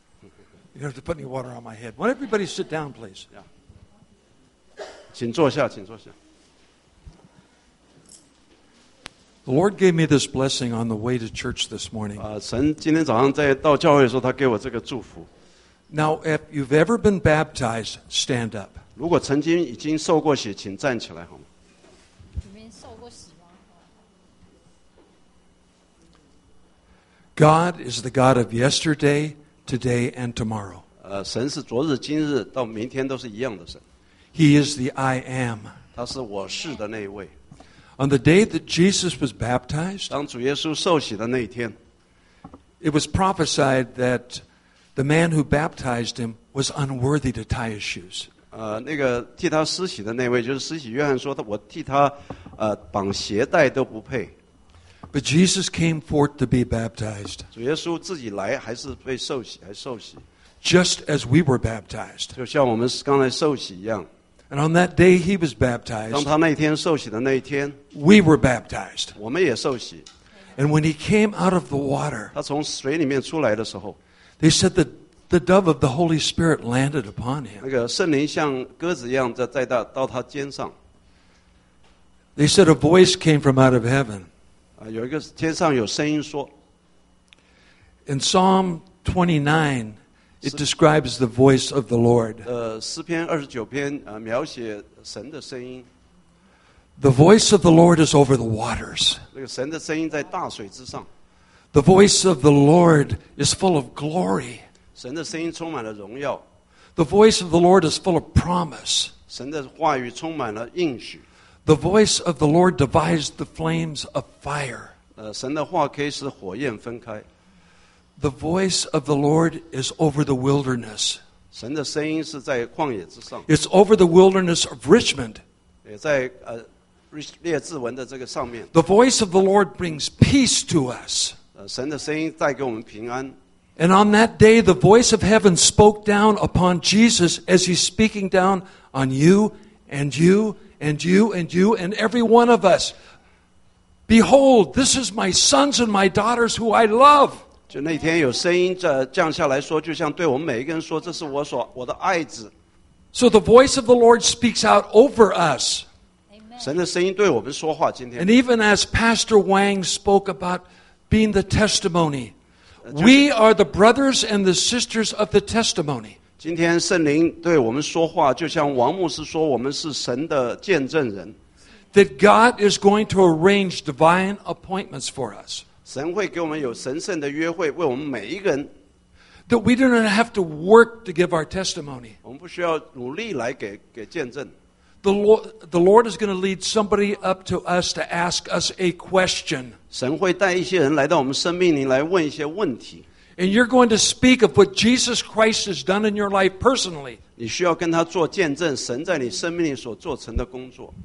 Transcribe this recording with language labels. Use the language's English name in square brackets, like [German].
[English] You don't have to put any water on my head. Won't everybody sit down, please? [Chinese] Yeah. 请坐下，请坐下。 [English] The Lord gave me this blessing on the way to church this morning. [Chinese] 神今天早上在到教会的时候，他给我这个祝福。 [English] Now, if you've ever been baptized, stand up. [Chinese] 如果曾经已经受过洗，请站起来好吗？你们受过洗吗？ [English] God is the God of yesterday, today, and tomorrow. [Chinese] 神是昨日、今日到明天都是一样的神。 [English] He is the I am. [Chinese] 他是我是的那一位。 [English] On the day that Jesus was baptized, [Chinese] 当主耶稣受洗的那一天, [English] it was prophesied that the man who baptized him was unworthy to tie his shoes. [Chinese] 那个替他施洗的那位就是施洗约翰说的，我替他绑鞋带都不配。 [English] But Jesus came forth to be baptized. [Chinese] 主耶稣自己来还是被受洗，还受洗。 [English] Just as we were baptized. [Chinese] 就像我们刚才受洗一样。 [English] And on that day he was baptized. [Chinese] 当他那天受洗的那一天, [English] we were baptized. [Chinese] 我们也受洗。 [English] And when he came out of the water, [Chinese] 他从水里面出来的时候, [English] they said that the dove of the Holy Spirit landed upon him. [Chinese] 那个圣灵像鸽子一样在到他肩上。 [English] They said a voice came from out of heaven. [Chinese] 有一个天上有声音说。 [English] In Psalm 29, it describes the voice of the Lord. [Chinese] 诗篇二十九篇描写神的声音。 [English] The voice of the Lord is over the waters. [Chinese] 那个神的声音在大水之上。 [English] The voice of the Lord is full of glory. [Chinese] 神的声音充满了荣耀。 [English] The voice of the Lord is full of promise. [Chinese] 神的话语充满了应许。 [English] The voice of the Lord divides the flames of fire. [Chinese] 神的话可以使火焰分开。 [English] The voice of the Lord is over the wilderness. [Chinese] 神的声音是在旷野之上。 [English] It's over the wilderness of Richmond. [Chinese] 也在列治文的这个上面。 [English] The voice of the Lord brings peace to us. [Chinese] 神的声音带给我们平安。 [English] And on that day, the voice of heaven spoke down upon Jesus as he's speaking down on you and you and you and you and every one of us. Behold, this is my sons and my daughters who I love. [Chinese] 就那天有声音降下来说，就像对我们每一个人说，这是我的爱子。 [English] So the voice of the Lord speaks out over us. [Chinese] 神的声音对我们说话今天。 [English] And even as Pastor Wang spoke about being the testimony, we are the brothers and the sisters of the testimony. [Chinese] 今天圣灵对我们说话，就像王牧师说，我们是神的见证人。 [English] That God is going to arrange divine appointments for us. [Chinese] 神会给我们有神圣的约会，为我们每一个人。 [English] That we do not have to work to give our testimony. [Chinese] 我们不需要努力来给见证。 [English] The Lord is going to lead somebody up to us to ask us a question. [Chinese] 神会带一些人来到我们生命里来问一些问题。 [English] And you're going to speak of what Jesus Christ has done in your life personally. [Chinese] 你需要跟他做见证，神在你生命里所做成的工作。